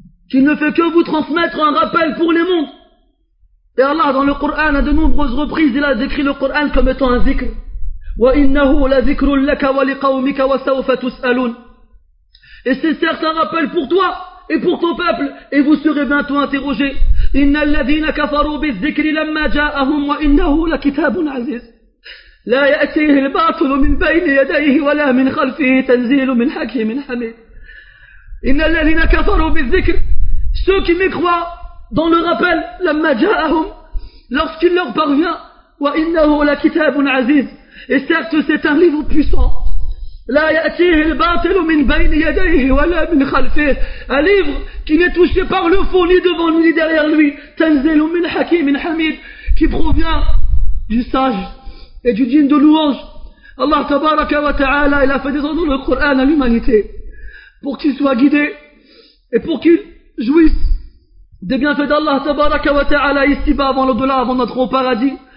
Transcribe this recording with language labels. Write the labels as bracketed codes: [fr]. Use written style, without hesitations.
[fr] Qu'il ne fait que vous transmettre un rappel pour les mondes? Et Allah, dans le Coran, à de nombreuses reprises, il a décrit le Coran comme étant un zikr. [ar] وَإِنَّهُ لَذِكْرٌ لَكَ وَلِقَوْمِكَ وَسَوْفَ تُسْأَلُونَ. [fr] Et c'est certes un rappel pour toi et pour ton peuple, et vous serez bientôt interrogé. [ar] إن الذين كفروا بالذكر لما جاءهم وإنه لكتاب عزيز لا يأتيه الباطل من بين يديه ولا من خلفه تنزيل من حكيم حميد. إن الذين كفروا بالذكر, [fr] ceux qui mécroient dans le rappel, [ar] لما جاءهم, [fr] lorsqu'il leur parvient, [ar] وإنه لكتاب عزيز, [fr] et certes c'est un livre puissant, [ar] لا يأتيه الباطل من بين يديه ولا من خلفه. [fr] Un livre qui n'est touché par le faux ni devant ni derrière lui. [ar] تنزل من حكيم حميد, [fr] qui provient du sage et du digne de louange. Allah tabaraka wa ta'ala, il a fait descendre le Coran à l'humanité pour qu'il soit guidé et pour qu'il jouisse des bienfaits d'Allah tabaraka wa ta'ala ici-bas avant l'au-delà, avant d'entrer au paradis.